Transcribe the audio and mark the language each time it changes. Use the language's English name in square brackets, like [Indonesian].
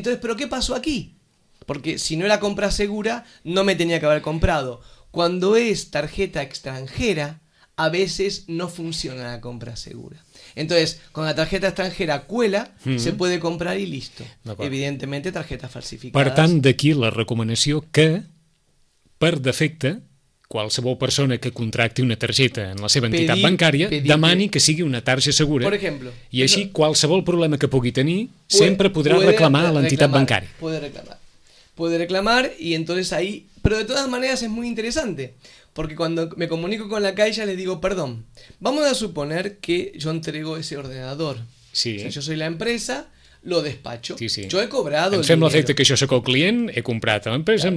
[Spanish] Entonces, ¿pero qué pasó aquí? Porque si no era compra segura, no me tenía que haber comprado. Cuando es tarjeta extranjera, a veces no funciona la compra segura. Entonces, con la tarjeta extranjera cuela, se puede comprar y listo. Evidentemente, tarjetas falsificadas. [Catalan] Per tant, d'aquí la recomanació que, per defecte, qualsevol persona que contracti una targeta en la seva entitat bancària demani que sigui una targeta segura. [Spanish] Por ejemplo, [Catalan] i així qualsevol problema que pugui tenir sempre podrà reclamar a l'entitat bancària. [Spanish] Puede reclamar y entonces ahí... Pero de todas maneras es muy interesante, porque cuando me comunico con la Caixa les digo, perdón, vamos a suponer que yo entrego ese ordenador. Sí. Si yo soy la empresa, lo despacho. Sí, sí. Yo he cobrado el dinero. Efecte que yo soy el cliente, he comprado a la empresa, claro.